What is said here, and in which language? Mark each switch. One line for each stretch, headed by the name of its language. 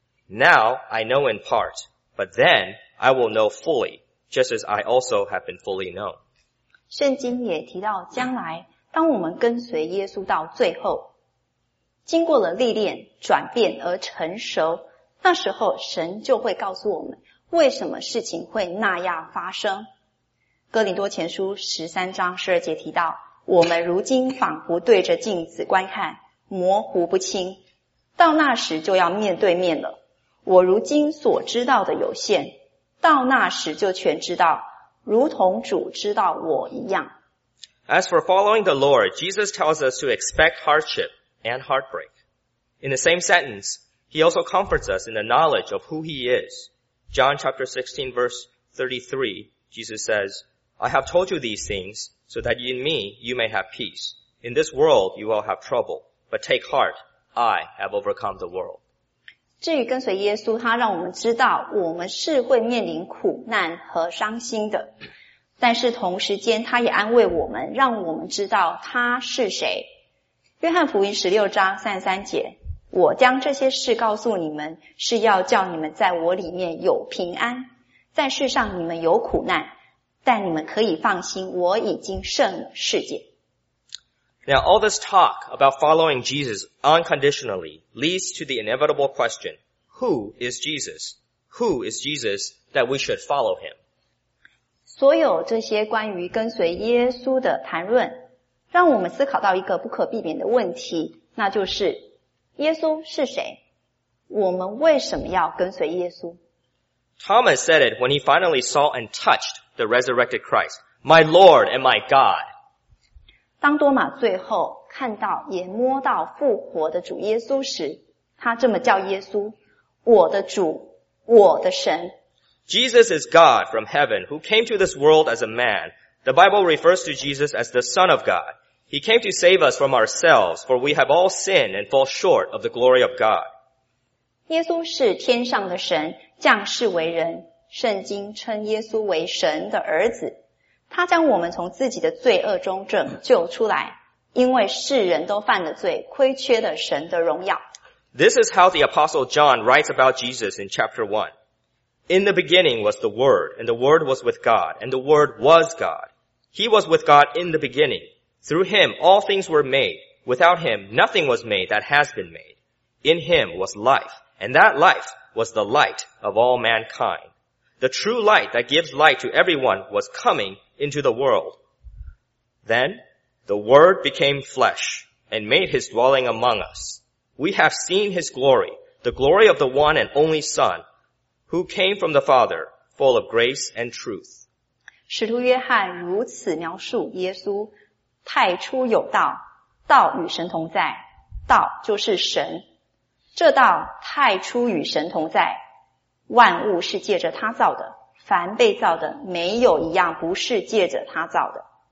English: Now I know in part, but then I will know fully, just as I also have been fully known.
Chinese: 圣经也提到将来当我们跟随耶稣到最后经过了历练转变而成熟那时候神就会告诉我们为什么事情会那样发生。哥林多前书13章12节提到我们如今仿佛对着镜子观看模糊不清到那时就要面对面了。我如今所知道的有限到那时就全知道如同主知道我一样。
English: As for following the Lord, Jesus tells us to expect hardship. And heartbreak. In the same sentence, he also comforts us in the knowledge of who he is. John chapter 16 verse 33, Jesus says, I have told you these things so that in me you may have peace. In this world you will have trouble, but take heart, I have overcome the world.
Chinese: 至于跟随耶稣，他让我们知道我们是会面临苦难和伤心的。但是同时间他也安慰我们，让我们知道他是谁。约翰福音16章33节我将这些事告诉你们是要叫你们在我里面有平安在世上你们有苦难但你们可以放心我已经胜了世界
English: Now all this talk about following Jesus unconditionally leads to the inevitable question Who is Jesus? Who is Jesus that we should follow him?
Chinese: 所有这些关于跟随耶稣的谈论让我们思考到一个不可避免的问题那就是耶稣是谁我们为什么要跟随耶稣
English: Thomas said it when he finally saw and touched the resurrected Christ My Lord and my God
Chinese: 当多马最后看到也摸到复活的主耶稣时他这么叫耶稣我的主我的神
English: Jesus is God from heaven who came to this world as a manThe Bible refers to Jesus as the Son of God. He came to save us from ourselves, for we have all sinned and fall short of the glory of God.
Chinese: 耶稣是天上的神，降世为人。圣经称耶稣为神的儿子。他将我们从自己的罪恶中拯救出来，因为世人都犯了罪，亏缺了神的荣耀。
English: This is how the Apostle John writes about Jesus in chapter 1. In the beginning was the Word, and the Word was with God, and the Word was God. He was with God in the beginning. Through Him all things were made. Without Him nothing was made that has been made. In Him was life, and that life was the light of all mankind. The true light that gives light to everyone was coming into the world. Then the Word became flesh, and made His dwelling among us. We have seen His glory, the glory of the one and only Son,Who came from the Father, full of grace and truth.
Chinese: 使徒约翰如此描述耶稣，太初有道，道与神同在，道就是神。这道太初与神同在，万物是借着他造的，凡被造的没有一样不是借着他造的。